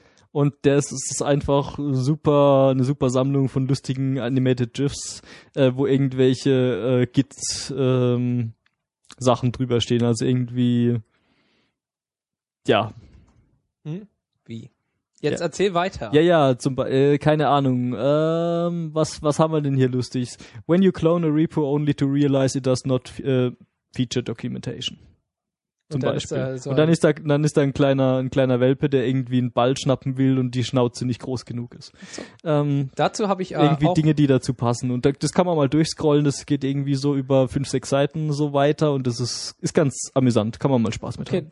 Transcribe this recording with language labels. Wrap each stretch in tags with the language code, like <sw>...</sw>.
<de>Und das ist einfach super, eine super Sammlung von lustigen Animated GIFs, wo irgendwelche Git-Sachen drüber stehen. Also irgendwie, ja. Wie? Jetzt erzähl weiter. Ja, zum keine Ahnung. Was haben wir denn hier Lustiges?</de> <en>When you clone a repo only to realize it does not feature documentation.</en> <de>Zum Beispiel. Und dann ist da, also ein kleiner Welpe, der irgendwie einen Ball schnappen will und die Schnauze nicht groß genug ist. So. Dazu habe ich irgendwie auch Dinge, die dazu passen. Und das kann man mal durchscrollen. Das geht irgendwie so über 5-6 Seiten so weiter. Und das ist ganz amüsant. Kann man mal Spaß mit haben.</de>